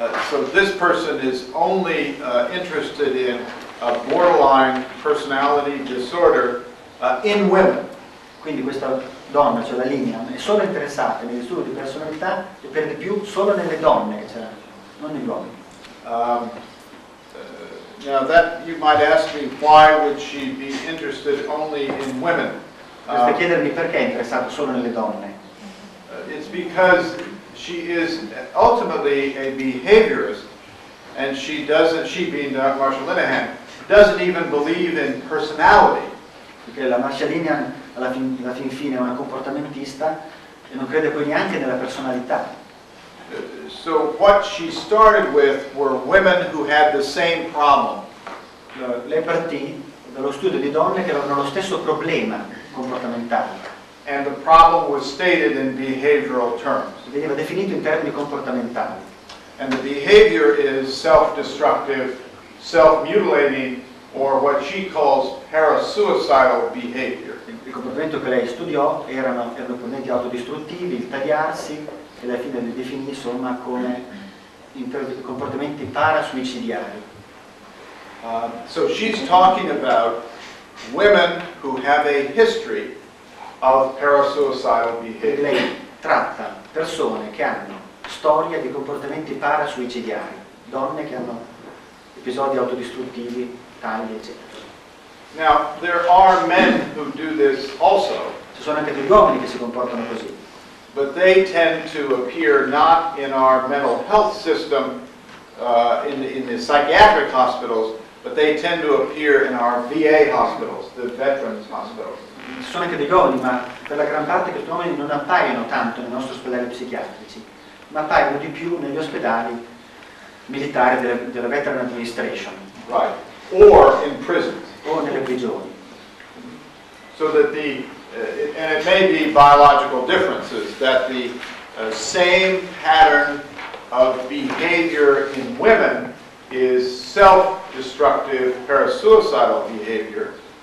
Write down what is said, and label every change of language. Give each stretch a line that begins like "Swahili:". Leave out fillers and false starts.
English: So this person is only interested in a borderline personality disorder in women.
Italian: Quindi questa donna, cioè la linea, è solo interessata nei disturbi di personalità e per di più solo nelle donne che c'erano, non negli uomini.
English: Now that you might ask me why would she be interested only in women?
Italian: Potreste chiedermi perché è interessata solo nelle donne.
English: It's because she is ultimately a behaviorist, and she doesn't. She, being Marsha Linehan, doesn't even believe in personality.
Italian: Perché la Marsha Linehan alla fin fine è una comportamentista e non crede poi neanche nella personalità.
English: So what she started with were women who had the same problem.
Italian: Lei partì dallo studio di donne che avevano lo stesso problema comportamentale.
English: And the problem was stated in behavioral terms.
Italian: Veniva definito in termini comportamentali.
English: And the behavior is self-destructive, self-mutilating, or what she calls parasuicidal behavior.
Italian: Il comportamento che lei studiò erano componenti autodistruttivi, il tagliarsi, e alla fine le definì insomma come comportamenti parasuicidiari.
English: So she's talking about women who have a history of parasuicidal behavior.
Italian: Lei tratta persone che hanno storia di comportamenti parasuicidiari, donne che hanno episodi autodistruttivi, tagli, eccetera.
English: Now, there are men who do this also.
Italian: Ci sono anche degli uomini che si comportano così.
English: But they tend to appear not in our mental health system, in the psychiatric hospitals, but they tend to appear in our VA hospitals, the veterans hospitals.
Italian: Ci sono anche degli uomini, ma per la gran parte questi uomini non appaiono tanto nei nostri ospedali psichiatrici, ma appaiono di più negli ospedali militari della Veteran Administration.
English: Right. Or in prisons.
Italian: O nelle prigioni.
English: So that the, and it may be biological differences, that the same pattern of behavior in women is self-destructive, parasuicidal behavior.